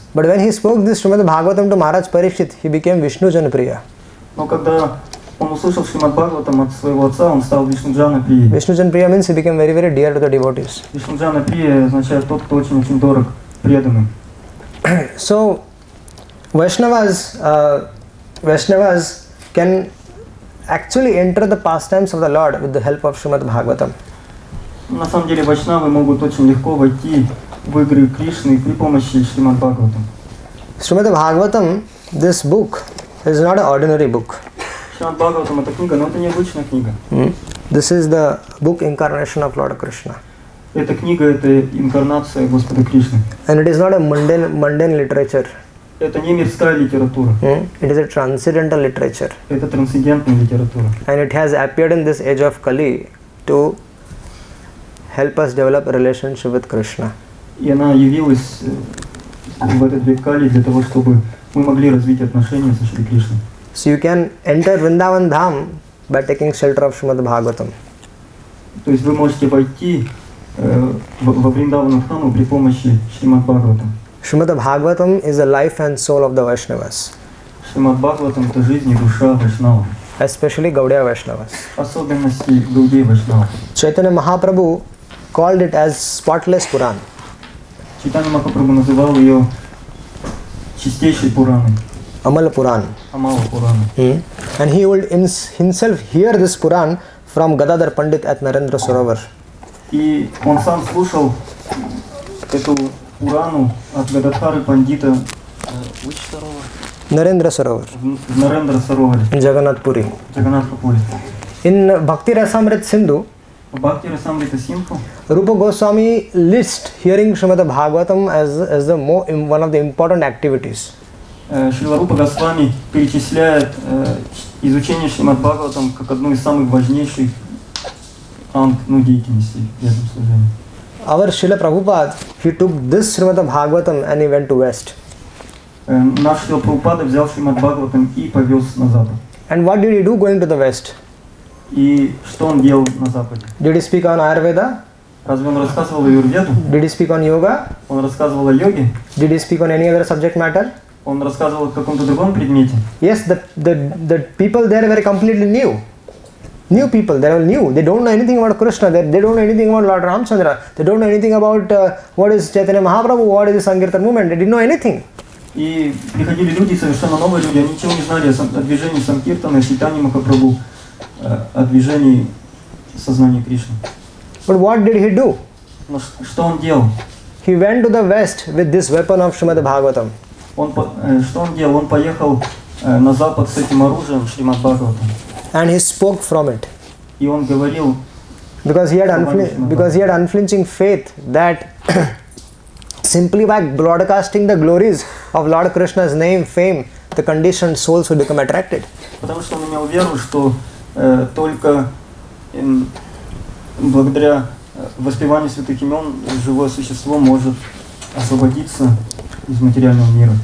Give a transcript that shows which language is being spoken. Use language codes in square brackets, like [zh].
[en] But when he spoke this Srimad Bhagavatam to Maharaj Parikshit, he became Vishnujanapriya. [ru] Но когда он услышал Шримад Бхагаватам от своего отца, он стал Вишнуджана Прия. [en] Вишнуджана Прия means he became very, very dear to the devotees. [ru] Вишнуджана Прия означает тот, кто очень-очень дорог преданным. [en] So, Vaishnavas can actually enter the pastimes of the Lord with the help of Шримад Бхагаватам. [ru] На самом деле, Вайшнавы могут очень легко войти в игры Кришны при помощи Шримад Бхагаватам. [en] Шримад Бхагаватам, this book, is not an ordinary book. [ru] Шримад Бхагаватам это книга, но это необычная книга. [en] This is the book incarnation of Lord Krishna. [ru] Эта книга это инкарнация Господа Кришны. [en] And it is not a mundane literature. [ru] Это не мирская литература. [en] It is a transcendental literature. [ru] Это трансцендентная литература. [en] And it has appeared in this age of Kali to help us develop a relationship with Krishna. [ru] И она явилась в этот век Кали для того, чтобы мы могли развить отношения со Шри Кришной. [en] So you can enter Vrindavan Dham by taking shelter of Srimad Bhagavatam. [ru] То есть вы можете войти во Вриндаван Дхаму при помощи Шримад Бхагаватам. [en] Srimad Bhagavatam is the life and soul of the Vaishnavas. [ru] Srimad Bhagavatam это жизнь и душа Вайшнава. [en] Especially Gaudiya Vaishnavas. [ru] Особенности Gaudiya Vaishnava. [en] Chaitanya Mahaprabhu called it as spotless Puran. [ru] Chaitanya Mahaprabhu называл ее чистейшей Пураной. [en] Amal Puran. Amal Puran. And he would himself hear this Puran from Gadadhar Pandit at Narendra Sarovar. И он сам слушал эту Пурану от Гададхары Пандита. Which Sarovar? Narendra Sarovar. Narendra Sarovar. Jagannathpuri. Jagannathpuri. In Bhakti Rasamrita Sindhu. Bhakti Rasamrita Sindhu. Rupa Goswami list hearing Srimad Bhagavatam as the one of the important activities. [ru] Шрила Рупа Госвами перечисляет изучение Шримад Бхагаватам как одну из самых важнейших анг, ну, деятельностей в этом служении. [en] Our Шрила Прабхупад, he took this Шримад Бхагаватам and he went to West. [ru] наш Шрила Прабхупада взял Шримад Бхагаватам и повез на Запад. [en] And what did he do going to the West? [ru] И что он делал на Западе? [en] Did he speak on Ayurveda? [ru] Разве он рассказывал о Аюрведе? [en] Did he speak on yoga? [ru] Он рассказывал о йоге. [en] Did he speak on any other subject matter? [ru] Он рассказывал о каком-то другом предмете. [en] Yes, the people there were completely new. New people, they are all new. They don't know anything about Krishna. They don't know anything about Lord Ramchandra. They don't know anything about what is Chaitanya Mahaprabhu, what is the Sankirtan movement. They didn't know anything. [ru] И приходили люди, совершенно новые люди. Они ничего не знали о движении Санкиртана, Чайтаньи Махапрабху, о движении сознания Кришны. [en] But what did he do? [ru] Но что он делал? [en] He went to the West with this weapon of Shrimad Bhagavatam. [ru] Что он делал? Он поехал на Запад с этим оружием Шримад Бхагаватам. [en] And he spoke from it. [ru] И он говорил. [en] Because he had unflinching faith that simply by broadcasting the glories of Lord Krishna's name, fame, the conditioned souls would become attracted. [ru] Потому что он имел веру, что только благодаря воспеванию святых имен живое существо может освободиться из материального мира.